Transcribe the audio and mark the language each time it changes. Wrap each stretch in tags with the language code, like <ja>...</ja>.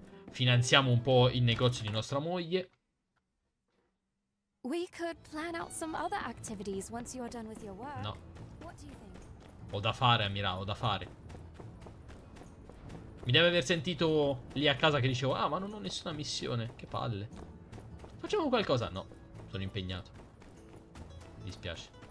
<it>Finanziamo un po' il negozio di nostra moglie.</it> <en>We could plan out some other activities once you're done with your work. No. What do you think?</en> <it>Ho da fare, Amira, ho da fare. Mi deve aver sentito lì a casa che dicevo: ah, ma non ho nessuna missione. Che palle. Facciamo qualcosa? No, sono impegnato. Mi dispiace.</it>